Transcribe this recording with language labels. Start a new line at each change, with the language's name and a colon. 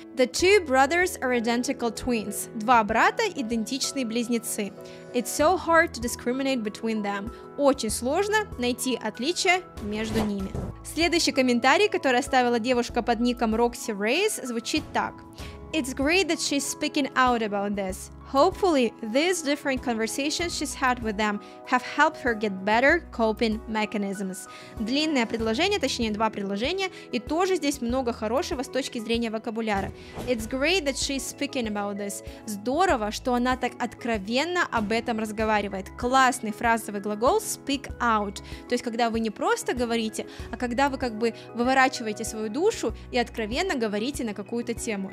English: The two brothers are identical twins.
Russian: Два брата – идентичные близнецы.
English: It's so hard to discriminate between them.
Russian: Очень сложно найти отличие между ними. Следующий комментарий, который оставила девушка под ником Roxy Reyes, звучит так.
English: It's great that she's speaking out about this. Hopefully, these different conversations she's had with them have helped her get better coping mechanisms.
Russian: Длинное предложение, точнее два предложения, и тоже здесь много хорошего с точки зрения вокабуляра.
English: It's great that she's speaking about this.
Russian: Здорово, что она так откровенно об этом разговаривает. Классный фразовый глагол speak out. То есть, когда вы не просто говорите, а когда вы как бы выворачиваете свою душу и откровенно говорите на какую-то тему.